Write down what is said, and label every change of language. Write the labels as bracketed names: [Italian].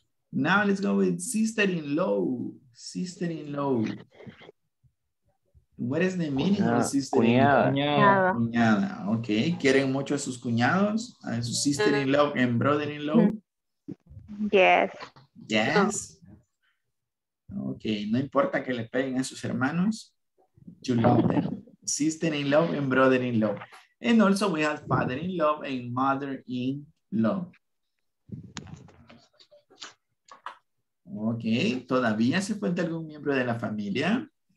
[English] Now let's go with sister-in-law. What is the meaning of sister-in-law? [Spanish] Cuñada. Okay. ¿Quieren mucho a sus cuñados? A su sister-in-law and brother-in-law? [English] Yes. Yes. No. Okay. [Spanish] No importa que le peguen a sus hermanos. [English] You love them. Sister-in-law and brother-in-law. And also we have father-in-law and mother-in-law. Okay. [Spanish] ¿Todavía se cuenta algún miembro de la familia?